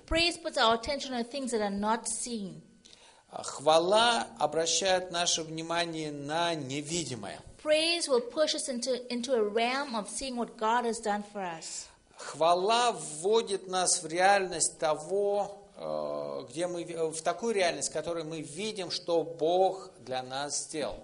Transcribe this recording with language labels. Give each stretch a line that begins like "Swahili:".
English: Praise puts our attention on things that are not seen.
Russian: Хвала обращает наше внимание на невидимое.
English: Praise will push us into a realm of seeing what God has done for us.
Russian: Хвала вводит нас в реальность того, где мы, в такую реальность, в которой мы видим, что Бог для нас сделал.